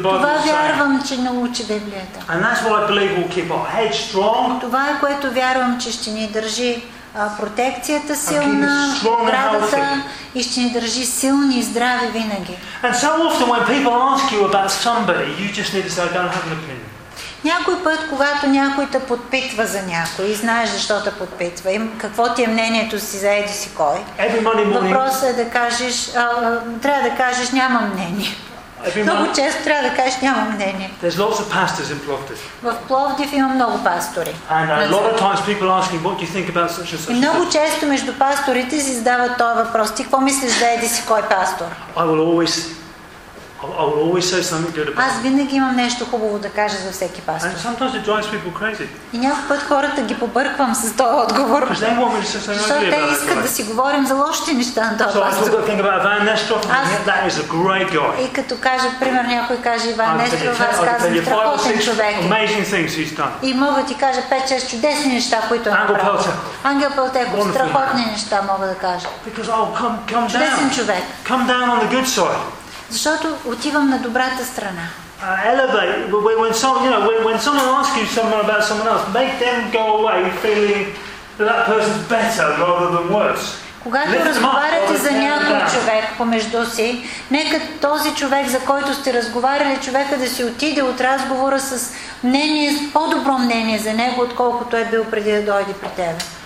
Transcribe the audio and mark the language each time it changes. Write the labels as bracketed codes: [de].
[bg] Това вярвам, че научи Библията. [en] And that's what I believe will keep our head strong. [bg] Това е, което вярвам, че ще ни държи протекцията силна, оградата и ще ни държи силни и здрави винаги. [en] And so often when people ask you about somebody, you just need to say, I don't have an opinion. [bg] Някой път, когато някой те подпитва за някой, знаеш защо те подпитва, какво ти е мнението си за еди си кой, въпросът е да кажеш, трябва да кажеш, няма мнение. Много често трябва да кажеш, няма мнение. [en] There's lots of pastors in Plovdiv. [bg] В Пловдив има много пастори. [en] And a lot of times people ask me, what do you think about such and such? [bg] И много често между пасторите си задават този въпрос. Ти какво мислиш за еди си кой пастор? [en] I will always say something good about. [bg] Аз винаги имам нещо хубаво да кажа за всеки пастор. [en] And sometimes it drives people crazy. [bg] И някой път хората ги побърквам с този отговор. Защото те искат да си говорим за лошите неща на този пастор. [en] So I talk good thing about Ivan Nestroff. That is a great guy. [bg] И като кажа, пример, някой каже Иван Нестроф, аз казвам, страхотен човек. [en] Amazing things he's done. [bg] И мога ти кажа 5-6 чудесни неща, които е направил. Ангел Пълтеков, страхотни неща мога да кажа. [en] Because I'll come down. [bg] Чудесен човек. [en] Come down on the good side. [bg] Защото отивам на добрата страна. [en] Elevate. When someone asks you something about someone else, make them go away feeling that person's better rather than worse. [bg] Когато разговаряте за някой човек помежду си, нека този човек, за който сте разговаряли, човека да си отиде от разговора с мнение, по-добро мнение за него, отколкото е бил преди да дойде при теб.